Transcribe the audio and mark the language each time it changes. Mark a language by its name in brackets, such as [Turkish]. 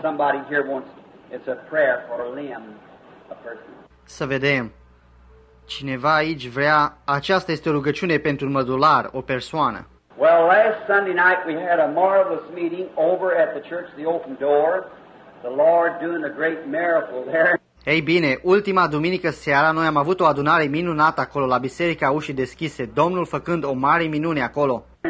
[English] Somebody here wants, it's a prayer for a limb, a person. [Romanian] Să vedem. Cineva aici vrea, aceasta este o rugăciune pentru un mădular, o persoană. [English] Well, last Sunday night we had a marvelous meeting over at the Church of the Open Door. The Lord doing a great miracle there. [Romanian] Ei bine, ultima duminică seara noi am avut o adunare minunată acolo la Biserica Ușii Deschise, Domnul făcând o mare minune acolo.